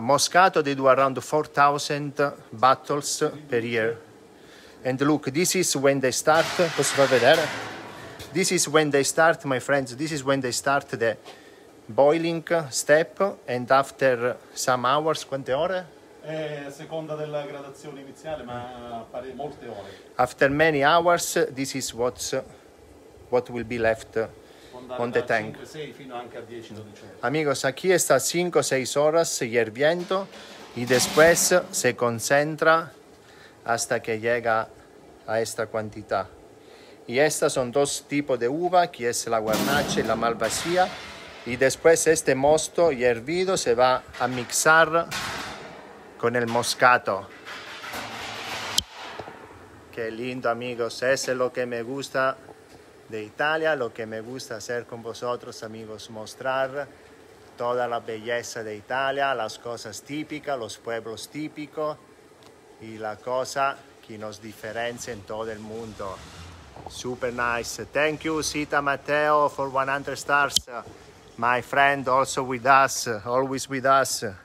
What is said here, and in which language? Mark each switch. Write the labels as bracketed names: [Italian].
[English] Moscato they do around 4000 bottles per year. And look, this is when they start, [Italian] posso far vedere? [English] This is when they start, my friends, this is when they start the boiling step and after some hours, [Italian] quante ore? A seconda della gradazione iniziale, ma pare molte ore. [English] After many hours, this is what will be left on the tank. [Italian] 5, 6, fino anche a 10, 12. [Spanish] Amigos, aquí está 5 6 horas hirviendo y después se concentra hasta que llega a esta cantidad. Y estas son dos tipos de uva, que es la Guarnaccia y la Malvasia, y después este mosto hervido se va a mixar con el moscato. Qué lindo, amigos, eso es lo que me gusta de Italia, lo que me gusta hacer con vosotros, amigos, mostrar toda la belleza de Italia, las cosas típicas, los pueblos típicos y la cosa que nos diferencia en todo el mundo. [English] Super nice. Thank you, Sita Matteo, for 100 stars. My friend, also with us, always with us.